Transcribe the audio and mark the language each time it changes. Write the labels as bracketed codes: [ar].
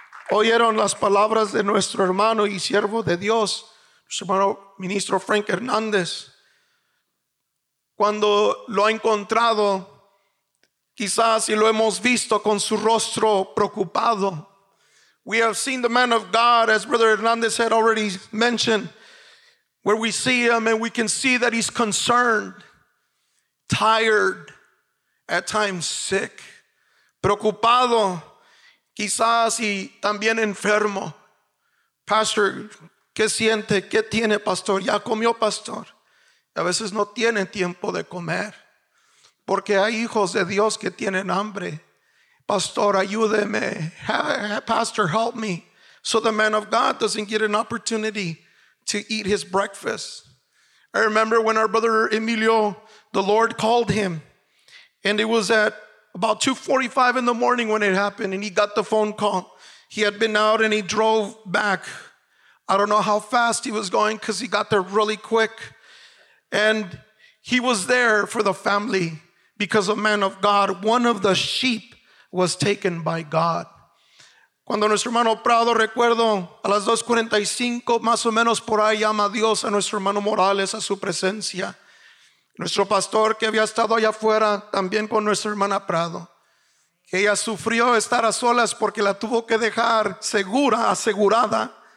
[es] Oyeron las palabras de nuestro hermano y siervo de Dios, nuestro hermano ministro Frank Hernández. Cuando lo ha encontrado, quizás y lo hemos visto con su rostro preocupado. [en] We have seen the man of God, as Brother Hernández had already mentioned, where we see him and we can see that he's concerned, tired, at times sick, [es] preocupado, quizás y también enfermo. Pastor, ¿qué siente? ¿Qué tiene, pastor? ¿Ya comió, pastor? A veces no tiene tiempo de comer, porque hay hijos de Dios que tienen hambre. Pastor, ayúdeme. [en] Pastor, help me. So the man of God doesn't get an opportunity to eat his breakfast. I remember when our brother Emilio, the Lord called him, and it was at about 2:45 in the morning when it happened, and he got the phone call. He had been out and he drove back. I don't know how fast he was going because he got there really quick. And he was there for the family because a man of God, one of the sheep, was taken by God. [es] Cuando nuestro hermano Prado, recuerdo, a las 2:45, más o menos por ahí, llama a Dios a nuestro hermano Morales a su presencia. Nuestro pastor que había estado allá afuera, también con nuestra hermana Prado. Ella sufrió estar a solas porque la tuvo que dejar segura, asegurada.